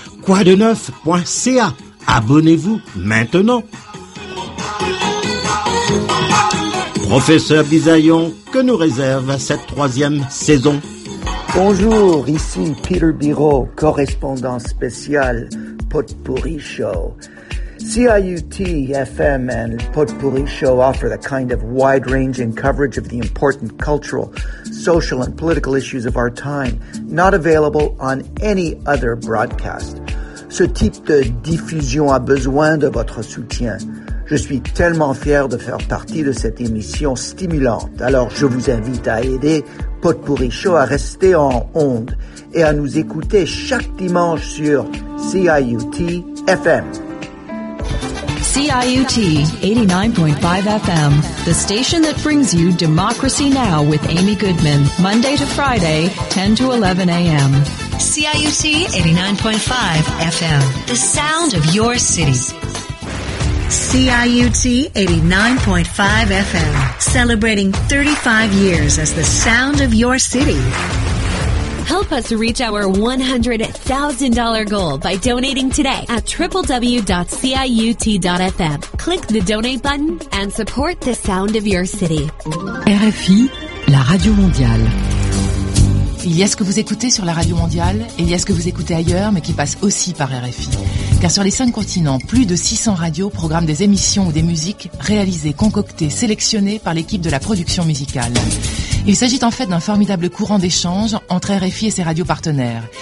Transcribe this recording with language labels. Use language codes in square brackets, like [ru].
[fr] Quoideneuf.ca. Abonnez-vous maintenant. Professeur Bisaillon, que nous réserve cette troisième saison? Bonjour, ici Peter Biro, correspondant spécial Potpourri Show. [en] CIUT FM and Potpourri Show offer the kind of wide-ranging coverage of the important cultural, social, and political issues of our time, not available on any other broadcast. [fr] Ce type de diffusion a besoin de votre soutien. Je suis tellement fier de faire partie de cette émission stimulante. Alors, je vous invite à aider Potpourri Show à rester en onde et à nous écouter chaque dimanche sur CIUT FM. [en] CIUT 89.5 FM, the station that brings you Democracy Now! With Amy Goodman, Monday to Friday, 10 to 11 a.m. CIUT 89.5 FM, the sound of your city. CIUT 89.5 FM, celebrating 35 years as the sound of your city. Help us reach our $100,000 goal by donating today at www.ciut.fm. Click the donate button and support the sound of your city. [fr] RFI, la radio mondiale. Il y a ce que vous écoutez sur la radio mondiale et il y a ce que vous écoutez ailleurs mais qui passe aussi par RFI. Car sur les 5 continents, plus de 600 radios programment des émissions ou des musiques réalisées, concoctées, sélectionnées par l'équipe de la production musicale. Il s'agit en fait d'un formidable courant d'échange entre RFI et ses radios partenaires.